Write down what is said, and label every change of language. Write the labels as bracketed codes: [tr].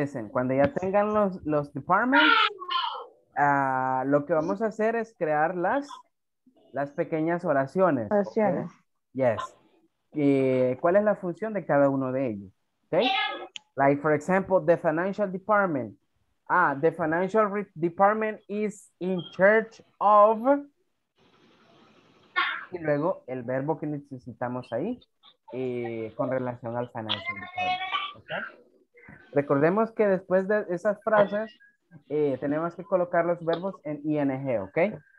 [es] Cuando ya tengan los departments, lo que vamos a hacer es crear las pequeñas oraciones. Oraciones. [en] Okay? Yes. [es] ¿Cuál es la función de cada uno de ellos? [en] Okay? Like, for example, the financial department. Ah, the financial department is in charge of... [es] Y luego el verbo que necesitamos ahí con relación al financial department. Okay? Recordemos que después de esas frases tenemos que colocar los verbos en ing, ¿ok?